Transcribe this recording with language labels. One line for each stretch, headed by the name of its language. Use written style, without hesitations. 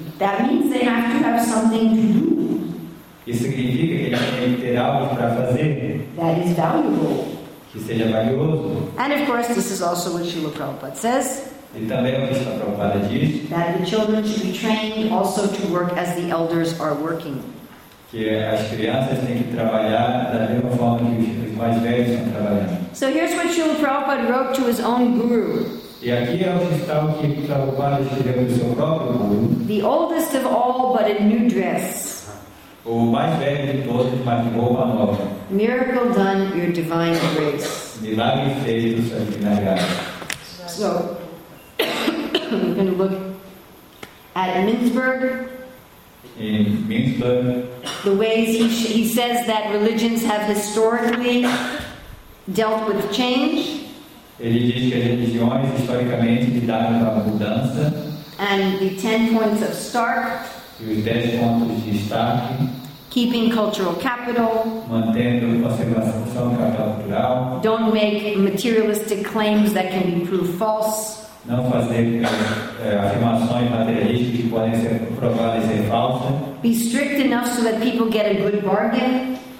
English: That means they have to have something to do.
Portuguese: Isso significa que eles têm que ter algo para fazer.
English: That is valuable.
Portuguese: Que seja valioso.
English: And of course, this is also what Srila Prabhupada says.
Portuguese: E também o que Srila Prabhupada diz.
English: That the children should be trained also to work as the elders are working.
Portuguese: Que as crianças têm que trabalhar da mesma forma que os mais velhos estão trabalhando.
English: So here's what Srila Prabhupada wrote to his own guru.
Portuguese: E aqui é o que está o que Prabhupada escreveu para o seu próprio guru.
English: The oldest of all, but a new dress.
Portuguese: O mais velho de todos, mas de roupa nova.
English: Miracle done, your divine grace.
Portuguese: Milagre feito, sua divina graça.
English: So, we're going to look at Mintzberg. In Mintzberg, the ways he says that religions have historically dealt with change.
Portuguese: Ele diz que as religiões historicamente lidaram com a mudança.
English: And the 10 points of Stark.
Portuguese: E os 10 pontos de Stark.
English: Keeping cultural capital.
Portuguese: Mantendo a conservação do capital cultural.
English: Don't make materialistic claims that can be proved false.
Portuguese: Não fazer afirmações materialistas que podem ser provadas ser falsas.
English: Be strict enough so that people get a good bargain.